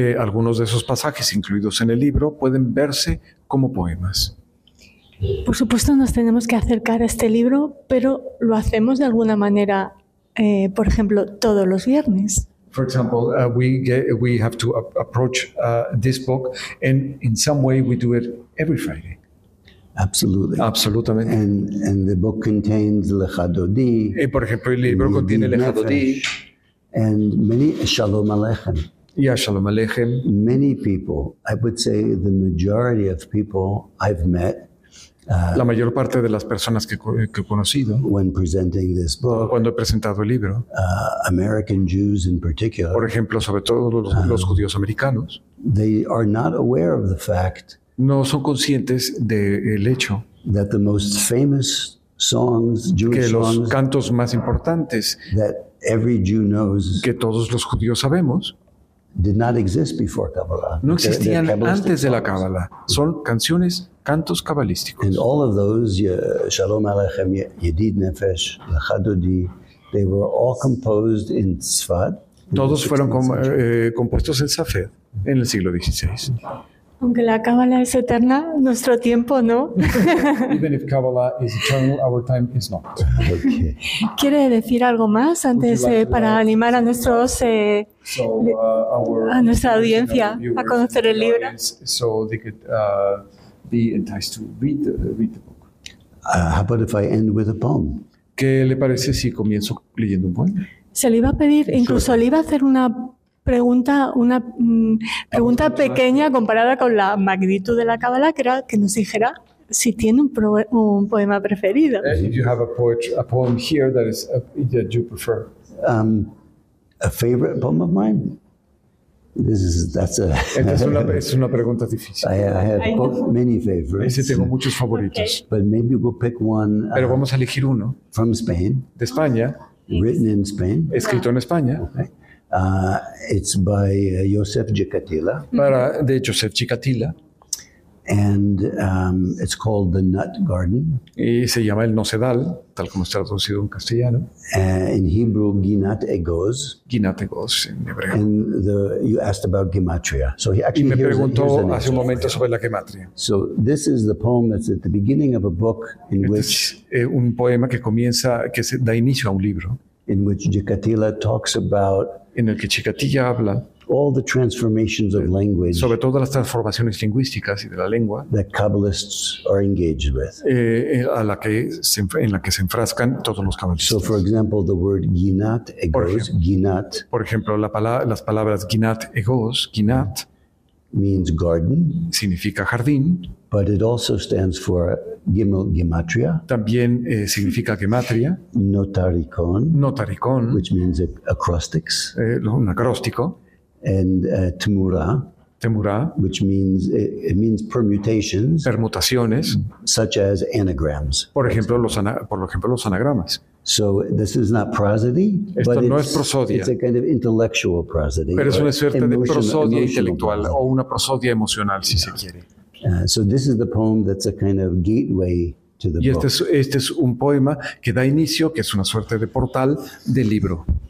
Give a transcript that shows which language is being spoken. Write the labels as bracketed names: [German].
[Spanish] Algunos de esos pasajes incluidos en el libro pueden verse como poemas. Por supuesto, nos tenemos que acercar a este libro, pero lo hacemos de alguna manera, por ejemplo, todos los viernes. [English] For example, we have to approach this book, and in some way we do it every Friday. Absolutely. [Spanish] Absolutamente. [English] And the book contains Lecha Dodi. [Spanish] Y por ejemplo, el libro contiene Lecha Dodi. [English] And many Shalom Aleichem. [Spanish] Y a Shalom Aleichem. [English] Many people, I would say the majority of people I've met. [Spanish] La mayor parte de las personas que he conocido. [English] When presenting this book. [Spanish] Cuando he presentado el libro. [English] American Jews in particular. [Spanish] Por ejemplo, sobre todo los judíos americanos. [English] They are not aware of the fact. [Spanish] No son conscientes del hecho [English] that the most famous songs, Jewish [Spanish] que los cantos más importantes [English] that every Jew knows, [Spanish] que todos los judíos sabemos, [English] did not exist before Kabbalah. [Spanish] No existían antes de la Kábala. Son canciones, cantos cabalísticos. [English] And all of those, Shalom Aleichem, Yedid Nefesh, Lecha Dodi, they were all composed in Tzfat. [Spanish] Todos fueron compuestos en Safed en el siglo XVI. Aunque la cábala es eterna, nuestro tiempo no. [English] Even if Kabbalah is eternal, our time is not. Okay. [Spanish] ¿Quiere decir algo más antes like para animar a nuestros a nuestra audiencia a conocer el libro? [English] So they could be enticed to read the book. How about if I end with a poem? [Spanish] ¿Qué le parece si comienzo leyendo un poema? Se le iba a pedir, incluso le iba a hacer una pregunta, una pregunta pequeña comparada con la magnitud de la Kabbalah, que era que nos dijera si tiene un poema preferido. [English] You have a poem here that is that you prefer. A favorite poem of mine. [Spanish] Es una pregunta difícil. [English] I have many favorites. [Spanish] Ese tengo muchos favoritos. [English] Okay. But maybe we'll pick one. [Spanish] Pero vamos a elegir uno. [English] From Spain. [Spanish] De España. [English] Written in Spain. [Spanish] Escrito en España. [English] Okay. It's by Josep Chikatila. [Spanish] Para de Josep Chikatila. [English] And it's called The Nut Garden. [Spanish] Y se llama El Nocedal, tal como está traducido en castellano. [English] In Hebrew, Ginat Egoz. [Spanish] Ginat Egoz en hebreo. [English] And you asked about gematria. So he actually [Spanish] me preguntó hace un momento sobre la gematria. [English] So this is the poem that's at the beginning of a book in [Spanish] este [English] which [Spanish] es un poema que comienza que se da inicio a un libro. [English] In which Chikatila talks about [Spanish] en el que Chikatilla habla [English] all the transformations of language, [Spanish] sobre todas las transformaciones lingüísticas y de la lengua [English] that Kabbalists are engaged with. [Spanish] En la que se enfrascan todos los kabbalistas. [English] So for example, the word ginat egoz, ginat. [Spanish] Por ejemplo, las palabras ginat egoz, ginat, [English] means garden, [Spanish] significa jardín, [English] but it also stands for gematria. [Spanish] También significa gematria. [English] Notaricon, which means acrostics. [Spanish] Un acróstico. [English] And temura. [Spanish] Temura, [English] which means it means permutations. [Spanish] Permutaciones, [English] such as anagrams. [Spanish] Por ejemplo los anagramas. [English] So this is not prosody. [Spanish] Esto [English] but [Spanish] no es prosodia. [English] It's a kind of intellectual prosody. [Spanish] Pero es una suerte de prosodia intelectual o una prosodia emocional, si se quiere. [English] So this is the poem that's a kind of gateway to the book. [Spanish] Este es un poema que da inicio, que es una suerte de portal del libro.